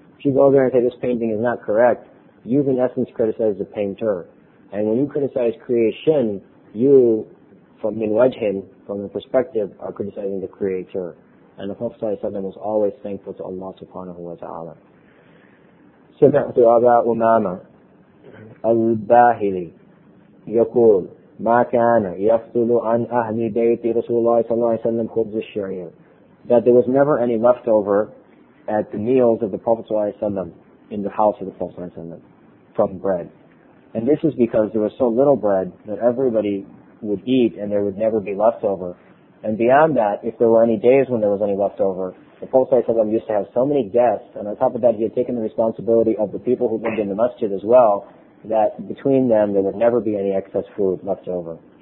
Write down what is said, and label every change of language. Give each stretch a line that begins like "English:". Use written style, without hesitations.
English: If you go there and say this painting is not correct, you, in essence, criticize the painter. And when you criticize creation, you, from
Arabic: min wajhin,
English: from the perspective, are criticizing the Creator. And the Prophet ﷺ was always thankful to Allah subhanahu wa ta'ala.
Arabic: Sami'tu Aba Umama al-Bahili يقول ما كان يفضل عن أهل بيت رسول الله صلى الله عليه وسلم خبز الشعير.
English: That there was never any leftover at the meals of the Prophet صلى الله عليه وسلم in the house of the Prophet صلى الله عليه وسلم from bread. And this is because there was so little bread that everybody would eat and there would never be leftover. And beyond that, if there were any days when there was any leftover, the Prophet صلى الله عليه وسلم used to have so many guests, and on top of that he had taken the responsibility of the people who lived in the masjid as well, that between them there would never be any excess food left over.